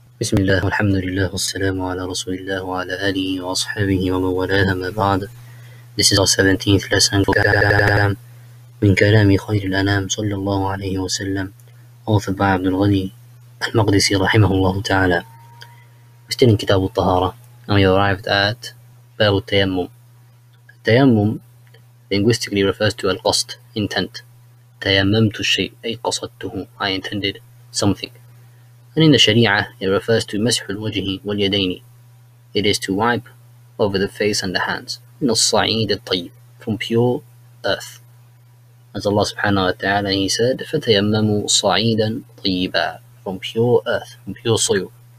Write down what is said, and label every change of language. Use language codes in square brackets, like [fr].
[ar] بسم الله والحمد لله والسلام على رسول الله وعلى آله وأصحابه ومن والاه ما بعد. [en] This is our 17th lesson for Ahkaam. [ar] من كلام خير الأنام صلى الله عليه وسلم [en] authored by [ar] عبد الغني المقدسي رحمه الله تعالى. [en] We're still in [ar] كتاب الطهارة [en] and we arrived at [ar] باب التيمم. [en] التيمم linguistically refers to القصد, intent. [ar] تيممت الشيء أي قصدته, [en] I intended something. And in the Sharia, it refers to [ar] مسح الوجه واليدين. [en] It is to wipe over the face and the hands. [ar] من الصعيد الطيب. [en] From pure earth. As Allah subhanahu wa ta'ala, He said, [ar] فَتَيَمَّمُوا صَعِيدًا طَيِّبًا. [en] From pure earth, from pure soil.